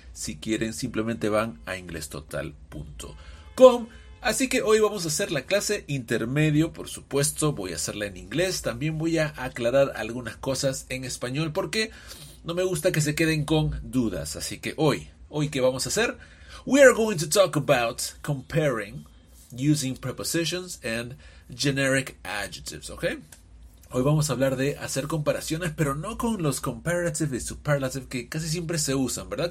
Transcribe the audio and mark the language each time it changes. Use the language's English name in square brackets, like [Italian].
[Spanish] Si quieren, simplemente van a inglestotal.com. Así que hoy vamos a hacer la clase intermedio. Por supuesto, voy a hacerla en inglés. También voy a aclarar algunas cosas en español, porque no me gusta que se queden con dudas. Así que hoy, ¿qué vamos a hacer? [English] We are going to talk about comparing using prepositions and generic adjectives, ¿ok? [Spanish] Hoy vamos a hablar de hacer comparaciones, pero no con los comparative y superlative que casi siempre se usan, ¿verdad?